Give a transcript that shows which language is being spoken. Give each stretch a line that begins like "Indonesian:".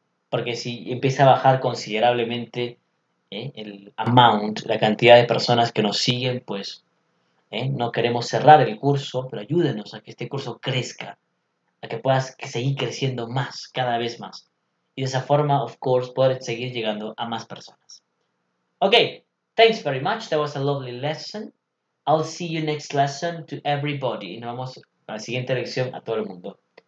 Spanish: Porque si empieza a bajar considerablemente el amount, la cantidad de personas que nos siguen, pues no queremos cerrar el curso, pero ayúdenos a que este curso crezca, a que puedas seguir creciendo más, cada vez más. Y de esa forma,
English: of course,
Spanish: poder seguir llegando a más personas.
English: Ok. Thanks very much. That was a lovely lesson. I'll see you next lesson to everybody.
Spanish: Y nos vamos a la siguiente lección a todo el mundo.